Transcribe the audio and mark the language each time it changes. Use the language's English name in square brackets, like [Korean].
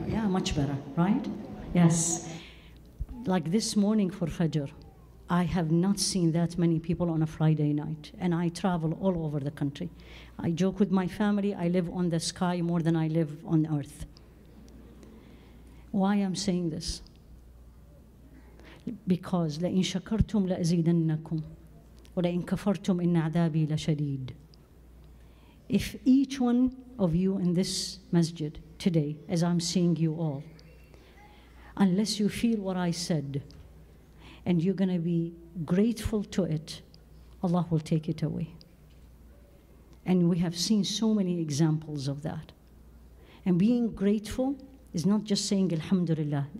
[English] Yeah, much better, right? Yes. Like this morning for Fajr, I have not seen that many people on a Friday night, and I travel all over the country. I joke with my family, I live on the sky more than I live on earth. Why am I saying this? [Arabic] Because لَإِن شَكَرْتُمْ لَأَزِيدَنَّكُمْ وَلَإِن كَفَرْتُمْ إِنَّ عَذَابِي لَشَدِيدٌ. [English] If each one of you in this masjid today, as I'm seeing you all, unless you feel what I said, and you're going to be grateful to it, Allah will take it away. And we have seen so many examples of that. And being grateful is not just saying alhamdulillah.